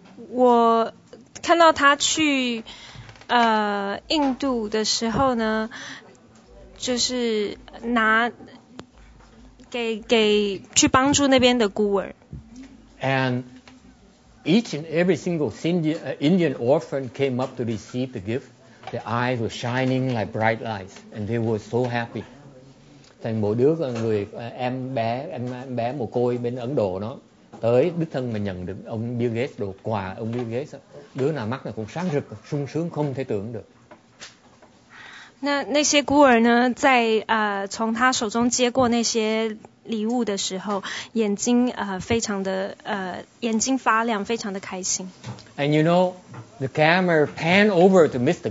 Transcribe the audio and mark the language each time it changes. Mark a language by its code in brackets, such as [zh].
[zh] 我看到他去印度的时候呢，就是拿给去帮助那边的孤儿。 [en] And each and every single Indian orphan came up to receive the gift. Their eyes were shining like bright lights, and they were so happy. [vi] Thành mỗi đứa người em bé mồ côi bên Ấn Độ nó. Tới đích thân mà nhận được ông Bill Gates đồ quà ông Bill Gates đứa nào mắt này cũng sáng rực sung sướng không thể tưởng được. [zh] 那些孤儿呢，在从他手中接过那些礼物的时候，眼睛非常的眼睛发亮，非常的开心。 [en] And you know, the camera pan over to Mr.